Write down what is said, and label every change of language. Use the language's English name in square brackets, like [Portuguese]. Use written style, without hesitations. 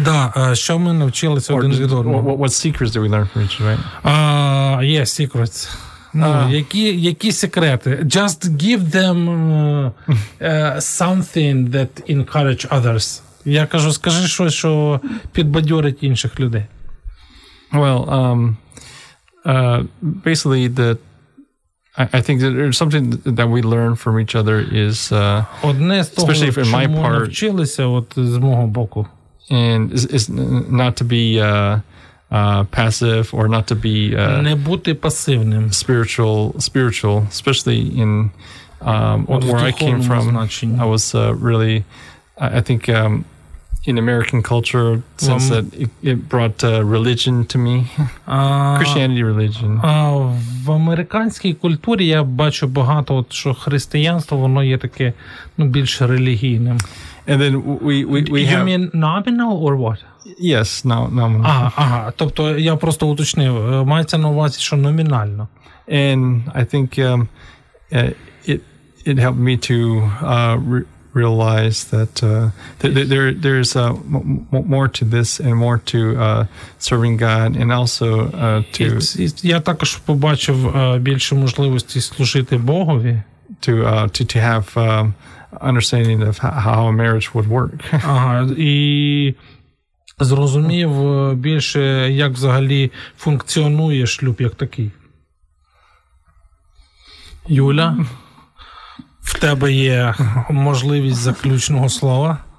[Ukrainian] Да, що ми навчилися один від одного? [English] What secrets do we learn from each other, right? Yes, secrets. [Ukrainian] Ну, які секрети? [English] Just give them something that encourage others. [Ukrainian] Я кажу, скажи щось, що підбадьорить інших людей. [English] Well, basically, I think that there's something that we learn from each other is, especially if in my part, [Ukrainian] навчилися, от, з мого боку. [English] And is not to be passive or not to be [Ukrainian] не бути пасивним. [English] Spiritual, especially in where I came from, [Ukrainian] значення. [English] I was really, I think, in American culture, since that it brought religion to me, Christianity religion. [Ukrainian] В американській культурі я бачу багато, от, що християнство, воно є таке, ну, більш релігійним. [English] And then we you have... You mean nominal or what? Yes, nominal. [Ukrainian] Тобто я просто уточнив, мається на увазі, що номінально. [English] And I think it helped me to... realize that there is more to this and more to serving God and also to [Ukrainian] я також побачив більше можливості служити Богові [English] to have understanding of how a marriage would work. [Ukrainian] І зрозумів більше, як взагалі функціонує шлюб як такий. Юля, в тебе є можливість заключного слова?